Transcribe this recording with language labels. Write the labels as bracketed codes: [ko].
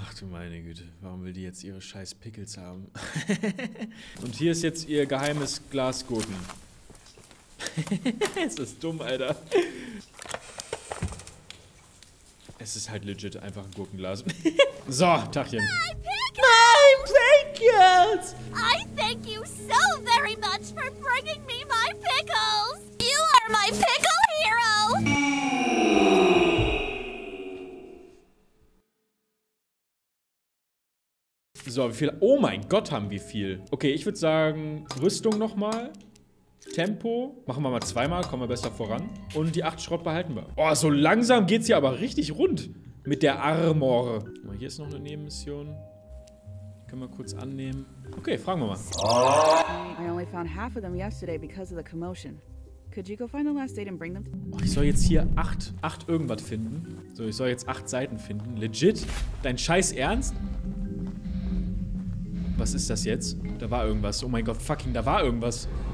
[de] meine Güte, warum will die jetzt ihre scheiß Pickles haben? Und hier ist jetzt ihr geheimes Glasgurken. Es ist dumm, Alter. Es ist halt legit einfach ein Gurkenglas. So, Tachchen. [en] My pickles! I thank you so very much for bringing me my pickles. You are my pickle hero. [de] So, wie viel? Oh mein Gott, haben wir viel. Okay, ich würde sagen, Rüstung nochmal. Tempo. Machen wir mal zweimal, kommen wir besser voran. Und die 8 Schrott behalten wir. Oh, so langsam geht's hier aber richtig rund. Mit der Armor. Hier ist noch eine Nebenmission. Können wir kurz annehmen. Okay, fragen wir mal. [en] I only found half of them yesterday because of the commotion. Could you go find the last date and bring them? [de] Oh, ich soll jetzt hier 8 irgendwas finden. So, ich soll jetzt 8 Seiten finden. Legit? Dein Scheiß ernst? Was ist das jetzt? Da war irgendwas. Oh mein Gott, fucking, da war irgendwas.